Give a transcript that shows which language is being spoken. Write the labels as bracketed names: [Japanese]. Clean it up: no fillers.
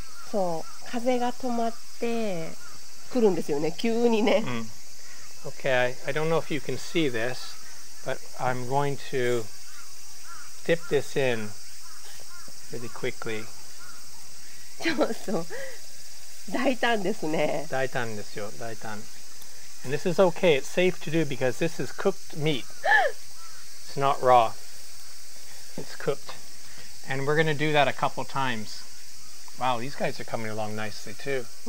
[Japanese] So, 風が止まってくるんですよね、急にね。 [English] Okay, I don't know if you can see this, but I'm going to dip this in really quickly. [Japanese] そうそう、大胆ですね。大胆ですよ、大胆。 [English] And this is okay, it's safe to do because this is cooked meat. It's not raw. It's cooked. And we're going to do that a couple times. Wow, these guys are coming along nicely too.